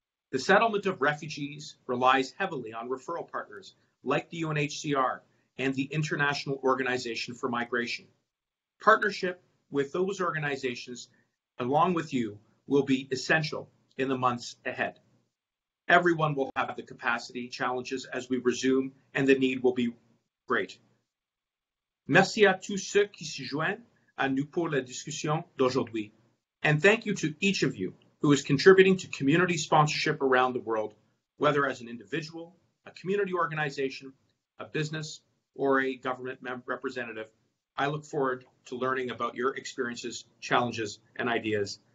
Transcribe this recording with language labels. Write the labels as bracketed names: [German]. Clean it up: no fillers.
[English] The settlement of refugees relies heavily on referral partners like the UNHCR and the International Organization for Migration. Partnership with those organizations, along with you, will be essential in the months ahead. Everyone will have the capacity challenges as we resume, and the need will be great. [French] Merci à tous ceux qui se joignent à nous pour la discussion d'aujourd'hui. [English] And thank you to each of you who is contributing to community sponsorship around the world, whether as an individual, a community organization, a business, or a government representative. I look forward to learning about your experiences, challenges, and ideas.